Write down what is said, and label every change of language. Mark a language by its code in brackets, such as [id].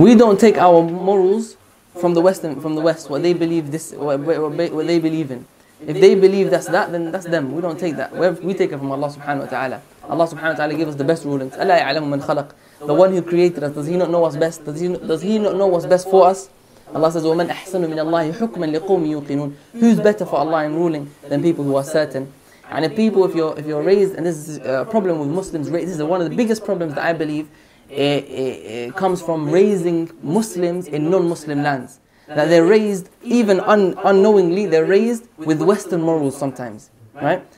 [en] We don't take our morals from the West, what they believe this, what they believe in. If they believe that's that, then that's them. We don't take that. We take it from Allah subhanahu wa ta'ala. Allah subhanahu wa ta'ala gave us the best rulings. Allah [ar] ya'lamu man khalaq. [en] The one who created us, does he not know what's best? Does he not know what's best for us? [ar] Allah says, وَمَنْ أَحْسَنُ مِنَ اللَّهِ حُكْمًا لِقُومِ يُوقِنُونَ. [en] Who's better for Allah in ruling than people who are certain? And if people, if you're raised, and this is a problem with Muslims, this is one of the biggest problems that I believe, It comes from raising Muslims in non-Muslim lands. That they're raised, even unknowingly, they're raised with Western morals sometimes. Right?